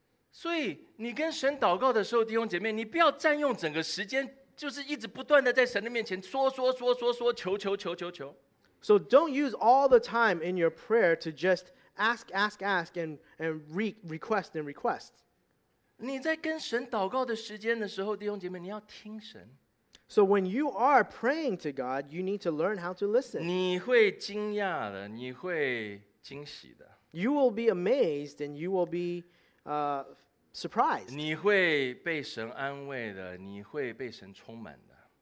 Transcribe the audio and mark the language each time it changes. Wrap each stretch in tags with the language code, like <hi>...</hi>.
<zh>所以你跟神祷告的时候，弟兄姐妹，你不要占用整个时间，就是一直不断的在神的面前说说说说说，求求求求求。</zh> <en>So don't use all the time in your prayer to just ask, ask, ask, and request and request.</en> <zh>你在跟神祷告的时间的时候，弟兄姐妹，你要听神。</zh> <en>So when you are praying to God, you need to learn how to listen.</en> <zh>你会惊讶的，你会惊喜的。</zh> <en>You will be amazed and you will be surprised.</en> <zh>你会被神安慰的，你会被神充满的。</zh>